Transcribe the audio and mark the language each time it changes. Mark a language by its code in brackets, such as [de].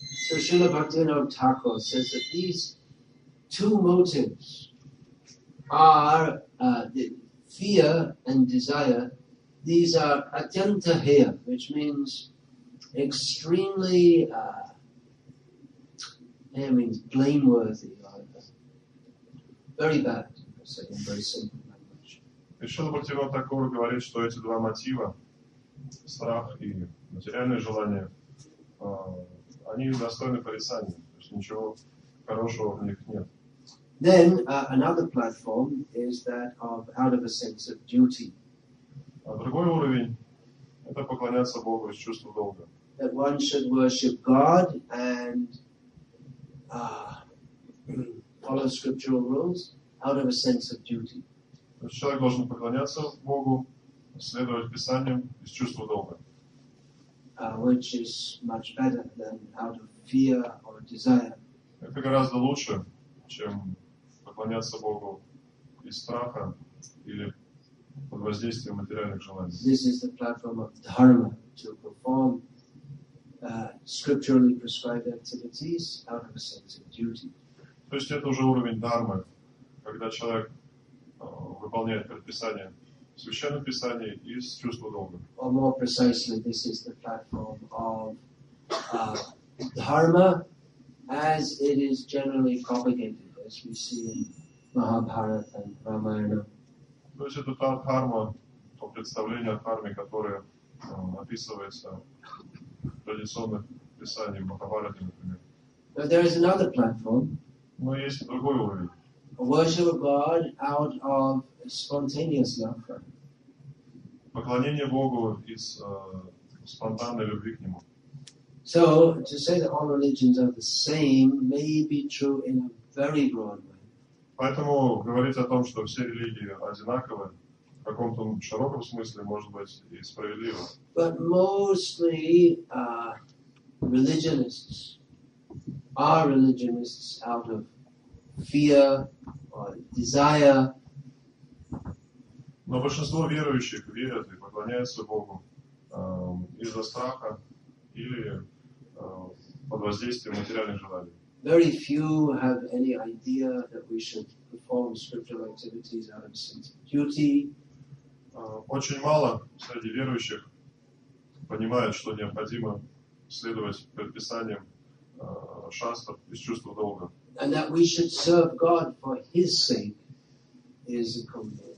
[en] So Srila Bhaktivinoda Thakur says that these two motives are the fear and desire. These are atyanta heya, which means extremely means blameworthy, very bad, say in very simple language. [ru] Srila Bhaktivinoda Thakur говорит, что эти два мотива, страх и материальное желание, они достойны порицания, то есть ничего хорошего в них нет. [en] Then another platform is that of out of a sense of duty. [ru] А другой уровень – это поклоняться Богу из чувства долга. [en] That one should worship God and follow scriptural rules out of a sense of duty. [ru] То есть человек должен поклоняться Богу, следовать писаниям из чувства долга. [en] Which is much better than out of fear or desire. [ru] Это гораздо лучше, чем поклоняться Богу из страха или под воздействием материальных желаний. [en] This is the platform of dharma, to perform scripturally prescribed activities out of a sense of duty. [ru] То есть это уже уровень дхармы, когда человек выполняет предписание Священное Писание из чувства долга. [en] Or more precisely, this is the platform of dharma as it is generally propagated, as we see in Mahabharata and Ramayana. [ru] То есть это та дхарма, то представление о дхарме, которое описывается в традиционных писаниях Махабхараты, например. [en] But there is another platform. [ru] Но есть другой уровень. [en] A worship of God out of spontaneous love. [ru] Поклонение Богу из спонтанной любви к Нему. [en] So, to say that all religions are the same may be true in a very broad way. [ru] Поэтому говорить о том, что все религии одинаковы, в каком-то широком смысле, может быть, и справедливо. [en] But mostly religionists are religionists out of fear or desire. [ru] Но большинство верующих верят и поклоняются Богу из-за страха или под воздействием материальных желаний. [en] Very few have any idea that we should perform scriptural activities out of sense of duty. [ru] Очень мало среди верующих понимают, что необходимо следовать предписаниям шастр из чувства долга. [en] And that we should serve God for His sake is a command.